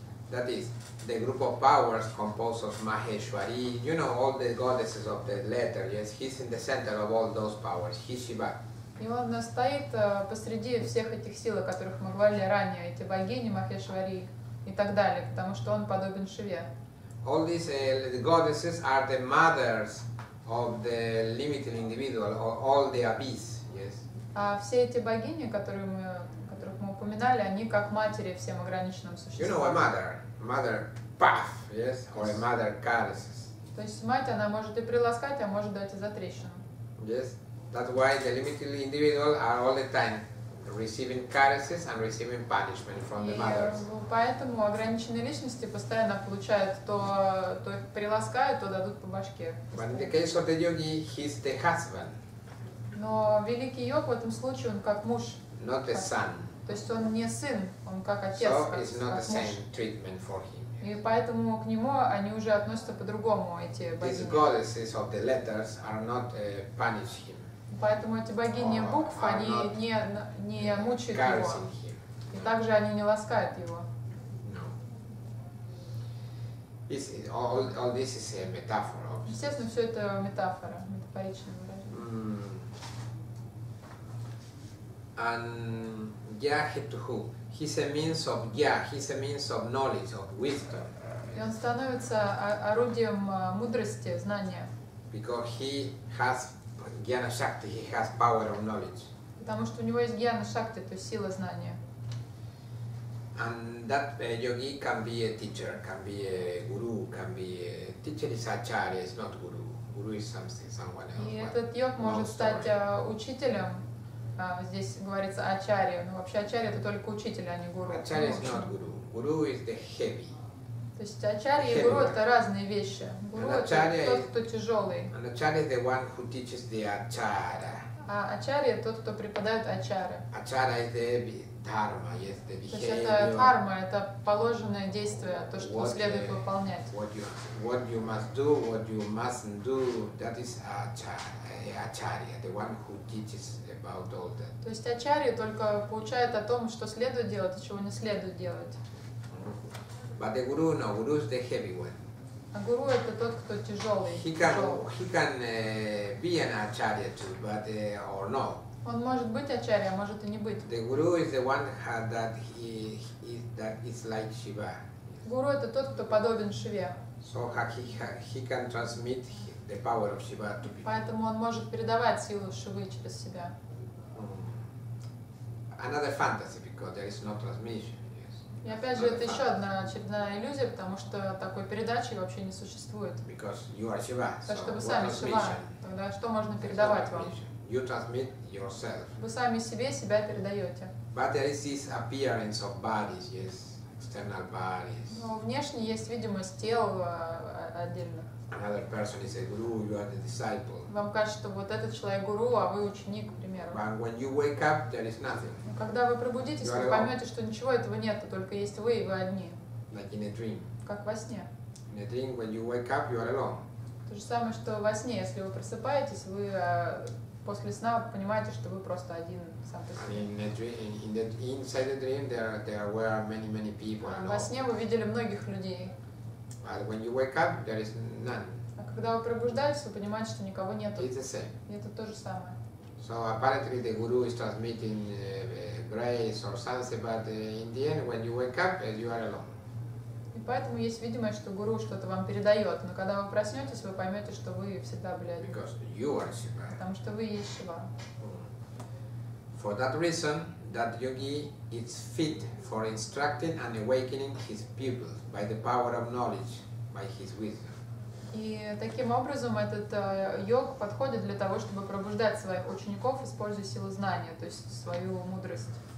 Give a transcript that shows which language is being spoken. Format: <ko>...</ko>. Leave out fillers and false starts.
<en>That is the group of powers composed of Maheshwari. You know all the goddesses of the letter. Yes, he's in the center of all those powers. He's Shiva.</en> <ru>И он стоит посреди всех этих сил, о которых мы говорили ранее, эти богини Махешвари и так далее, потому что он подобен Шиве.</ru> <en>All these goddesses are the mothers of the limited individual, all the abyss. Yes.</en> <ru>А все эти богини, которые мы упоминали, они как матери всем ограниченным существам.</ru> <en>You know, a mother. Mother, paf, yes? Or a mother caresses.</en> <ru>То есть мать, она может и приласкать, а может дать и затрещину.</ru> <en>Yes. That's why the limited individuals are all the time receiving caresses and receiving punishment from the mothers.</en> <ru>И поэтому ограниченные личности постоянно получают то их приласкают, то дадут по башке.</ru> <en>But in the case of the yogi, he's the husband.</en> <ru>Но великий йог в этом случае, он как муж.</ru> <en>Not the son.</en> <ru>То есть он не сын, он как отец,</ru> <en>so</en> <ru>как муж.</ru> <en>Him, yes.</en> <ru>И поэтому к нему они уже относятся по-другому, эти богини. Поэтому эти богини букв, они не мучают его.</ru> <en>Him.</en> <ru>И также они не ласкают его.</ru> <en>No. All this is a metaphor, obviously.</en> <ru>Естественно, все это метафора, метафоричное выражение.</ru> <en>And Gyahetuhu, he's a means of Gyah, he's a means of knowledge, of wisdom.</en> <ru>И он становится орудием мудрости, знания.</ru> <en>Because he has Gyana Shakti, he has power of knowledge.</en> <ru>Потому что у него есть Gyana Shakti, то есть сила знания.</ru> <en>And that yogi can be a teacher, can be a guru, can be a teacher is acharya, is not guru. Guru is something, someone else.</en> <ru>И этот йог может стать учителем. Здесь говорится ачарья, но вообще ачарья это только учитель, а не гуру.</ru> <en>Ачарья is not guru. Guru is the heavy.</en> <ru>То есть ачарья и гуру это разные вещи. Гуру это тот, кто тяжелый.</ru> <en>And ачарья is the one who teaches the ачара.</en> <ru>А ачарья тот, кто преподает ачары.</ru> <en>Ачара is the heavy dharma, yes, the behavior.</en> <ru>То есть это карма, это положенное действие, то, что следует выполнять.</ru> <en>What you must do, what you mustn't do, that is ачарья, the one who teaches.</en> <ru>То есть ачарья только получает о том, что следует делать и чего не следует делать.</ru> <en>But the guru, no, guru is the heavy one.</en> <ru>А гуру это тот, кто тяжелый.</ru> <en>He can be an acharya too, but or no.</en> <ru>Он может быть ачарья, может и не быть.</ru> <en>The guru is the one that is like Shiva.</en> <ru>Гуру это тот, кто подобен Шиве.</ru> <en>So he can transmit the power of Shiva to people.</en> <ru>Поэтому он может передавать силу Шивы через себя.</ru> <en>Another fantasy, because there is no transmission. Yes.</en> <ru>И опять же, это еще одна очередная иллюзия, потому что такой передачи вообще не существует.</ru> <en>Because you are Shiva.</en> <ru>Так что вы сами Шива, тогда что можно передавать вам?</ru> <en>You transmit yourself.</en> <ru>Вы сами себя передаете.</ru> <en>But there is this appearance of bodies, yes, external bodies.</en> <ru>Ну, внешне есть видимость тел отдельных.</ru> <en>Another person is a guru, you are the disciple.</en> <ru>Вам кажется, что вот этот человек гуру, а вы ученик, к примеру.</ru> <en>But when you wake up, there is nothing.</en> <ru>Когда вы пробудитесь, вы поймете, что ничего этого нет, только есть вы и вы одни.</ru> <en>Like in a dream.</en> <ru>Как во сне.</ru> <en>In a dream, when you wake up, you are alone.</en> <ru>То же самое, что во сне, если вы просыпаетесь, вы после сна понимаете, что вы просто один сам по себе.</ru> <en>And inside the dream, there were many, many people.</en> <ru>Во сне вы видели многих людей.</ru> <en>But when you wake up, there is none.</en> <ru>А когда вы пробуждаетесь, вы понимаете, что никого нету.</ru> <en>It's the same.</en> <ru>Это то же самое.</ru> <en>So apparently the guru is transmitting grace or something, but in the end, when you wake up, you are alone.</en> <ru>И поэтому есть видимость, что гуру что-то вам передает, но когда вы проснетесь, вы поймете, что вы всегда были один.</ru> <en>Because you are Shiva.</en> <ru>Потому что вы есть Шива.</ru> <en>For that reason, that yogi is fit for instructing and awakening his pupils by the power of knowledge, by his wisdom.</en> <ru>И таким образом этот йог подходит для того, чтобы пробуждать своих учеников, используя силу знания, то есть свою мудрость.</ru>